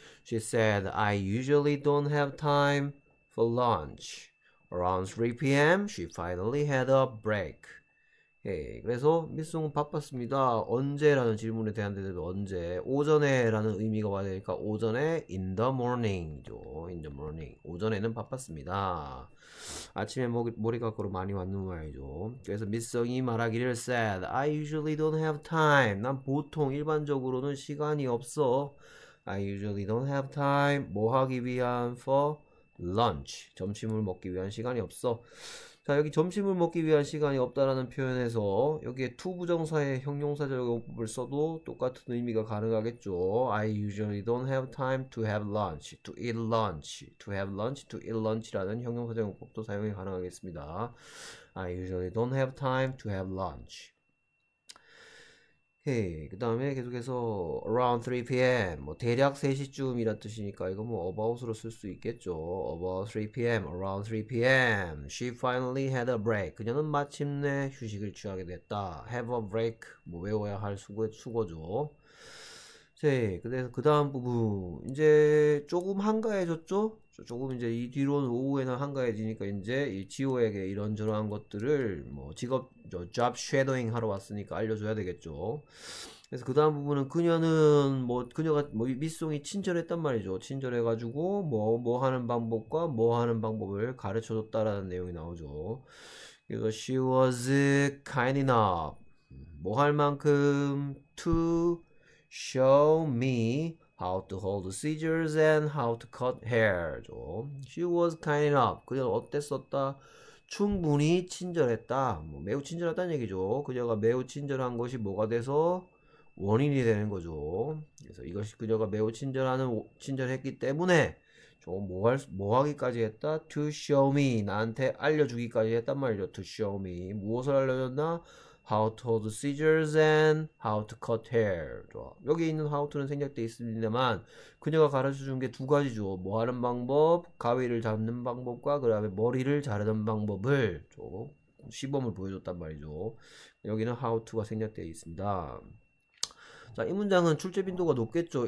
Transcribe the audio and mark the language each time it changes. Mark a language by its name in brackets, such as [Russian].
[English] She said, I usually don't have time for lunch. Around 3 p.m. she finally had a break. [Korean] 예, 그래서 미송은 바빴습니다. 언제라는 질문에 대한 대답이 언제? 오전에라는 의미가 와야 되니까 오전에 [English] in the morning [Korean] 이죠. in the morning. 오전에는 바빴습니다. 아침에 머리 깎으러 많이 왔는 모양이죠. 그래서 미송이 말하기를 [English] said, I usually don't have time. [Korean] 난 보통 일반적으로는 시간이 없어. [English] I usually don't have time. [Korean] 뭐 하기 위한 [English] for lunch. [Korean] 점심을 먹기 위한 시간이 없어. 자, 여기 점심을 먹기 위한 시간이 없다라는 표현에서 여기에 to 부정사의 형용사 적용법을 써도 똑같은 의미가 가능하겠죠. [English] I usually don't have time to have lunch, to eat lunch, to have lunch, to eat lunch라는 [Korean] 형용사 적용법도 사용이 가능하겠습니다. [English] I usually don't have time to have lunch. [Korean] 오케이. 그 다음에 계속해서 [English] around 3 p.m. [Korean] 뭐 대략 3시쯤이라 뜻이니까 이거 뭐 about으로 쓸수 있겠죠. [English] About 3 p.m. around 3 p.m. She finally had a break. [Korean] 그녀는 마침내 휴식을 취하게 됐다. [English] Have a break. [Korean] 뭐 외워야 할 수거죠. 네, 그래서 그 다음 부분 이제 조금 한가해졌죠? 조금 이제 이 뒤로는 오후에는 한가해지니까 이제 이 지호에게 이런저런 것들을 뭐 직업 job shadowing 하러 왔으니까 알려줘야 되겠죠. 그래서 그 다음 부분은 그녀가 뭐 미송이 친절했단 말이죠. 친절해가지고 뭐 하는 방법과 뭐 하는 방법을 가르쳐줬다라는 내용이 나오죠. [English] 그래서 she was kind enough [Korean] 뭐할 만큼 [English] to Show me how to hold scissors and how to cut hair. She was kind enough. [Korean] 그녀는 어땠었다? 충분히 친절했다. 뭐 매우 친절했다는 얘기죠. 그녀가 매우 친절한 것이 뭐가 돼서 원인이 되는 거죠. 그래서 이것이 그녀가 매우 친절했기 때문에 좀뭐 하기까지 했다? [English] To show me. [Korean] 나한테 알려주기까지 했단 말이죠. [English] To show me. [Korean] 무엇을 알려줬나? [English] How to hold scissors and how to cut hair. [Korean] 좋아. 여기 있는 how to는 생략되어 있습니다만, 그녀가 가르쳐 준게두 가지죠. 뭐 하는 방법, 가위를 잡는 방법과, 그 다음에 머리를 자르는 방법을 좀 시범을 보여줬단 말이죠. 여기는 how to가 생략되어 있습니다. 자, 이 문장은 출제 빈도가 높겠죠.